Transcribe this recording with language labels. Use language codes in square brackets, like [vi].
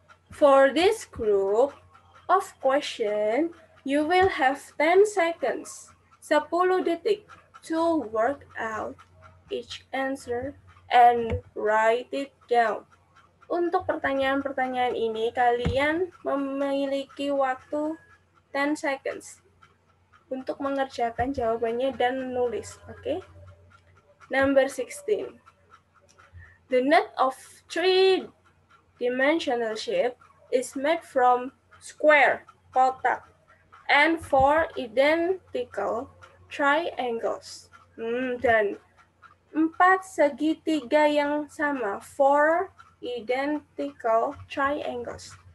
[en] For this group of question, you will have 10 seconds, [id] 10 detik, [en] to work out each answer and write it down. [id] Untuk pertanyaan-pertanyaan ini, kalian memiliki waktu [en] 10 seconds [id] untuk mengerjakan jawabannya dan menulis, [en] okay? Number 16. The net of three-dimensional shape is made from square, [id] kotak, [en] and four identical triangles. [id] Dan empat segitiga yang sama, [en] four identical triangles.